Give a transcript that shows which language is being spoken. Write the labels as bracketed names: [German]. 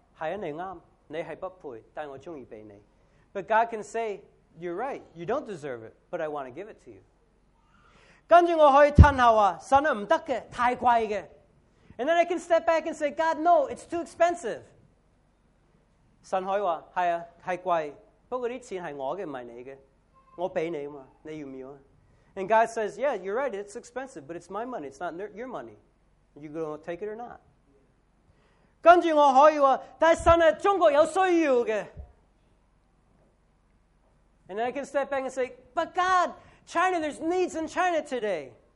[Chinese] 但神说,是你对,你是不配,但我喜欢给你。 [English] But God can say, you're right, you don't deserve it, but I want to give it to you. [Chinese] 接着我可以叹口,神是不行的,太贵的。 [English] And then I can step back and say, God, no, it's too expensive. [Chinese] 神可以说,是啊,是贵,不过这钱是我的,不是你的。我给你嘛, [English] and God says, yeah, you're right, it's expensive, but it's my money, it's not your money. Are you going to take it or not? [Chinese] 跟着我可以说,但神是中国有需要的。 [English] And then I can step back and say, but God, China, there's needs in China today.